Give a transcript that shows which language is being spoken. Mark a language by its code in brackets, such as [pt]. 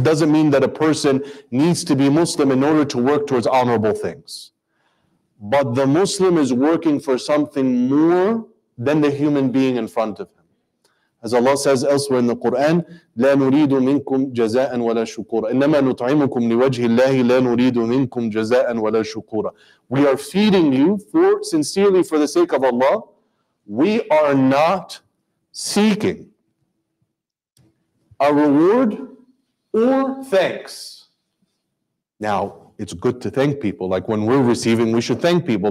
[en] Doesn't mean that a person needs to be Muslim in order to work towards honorable things. But the Muslim is working for something more than the human being in front of him. As Allah says elsewhere in the Quran, [ar] لا نريد منكم جزاء ولا شكورا. إنما نطعمكم لوجه الله لا نريد منكم جزاء ولا شكورا. [en] We are feeding you for sincerely for the sake of Allah. We are not seeking a reward or thanks. Now, it's good to thank people. Like when we're receiving, we should thank people.